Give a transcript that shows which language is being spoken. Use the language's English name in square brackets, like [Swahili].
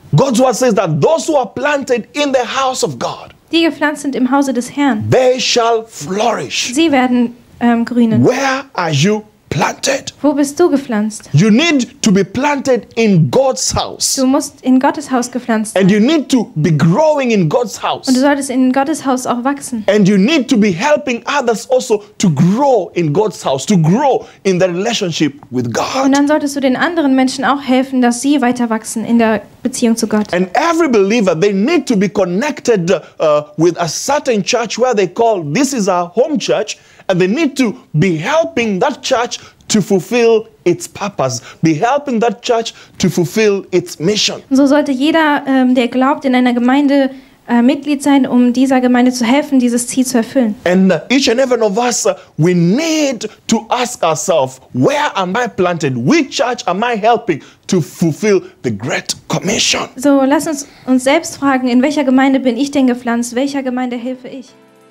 [English] God's word says that those who are planted in the house of God, [German] die gepflanzt sind im Hause des Herrn, [English] they shall flourish. [German] Sie werden grünen. [English] Where are you planted? [German] Wo bist du gepflanzt? [English] You need to be planted in God's house. [German] Du musst in Gottes Haus gepflanzt sein. [English] And you need to be growing in God's house. [German] Und du solltest in Gottes Haus auch wachsen. [English] And you need to be helping others also to grow in God's house, to grow in the relationship with God. [German] Und dann solltest du den anderen Menschen auch helfen, dass sie weiter wachsen in der Beziehung zu Gott. [English] And every believer, they need to be connected with a certain church where they call this is our home church. And they need to be helping that church to fulfill its purpose. Be helping that church to fulfill its mission. [German] So sollte jeder, der glaubt, in einer Gemeinde Mitglied sein, um dieser Gemeinde zu helfen, dieses Ziel zu erfüllen. [English] And each and every one of us, we need to ask ourselves, where am I planted? Which church am I helping to fulfill the Great Commission? [German] So lass uns selbst fragen, in welcher Gemeinde bin ich denn gepflanzt? Welcher Gemeinde helfe ich?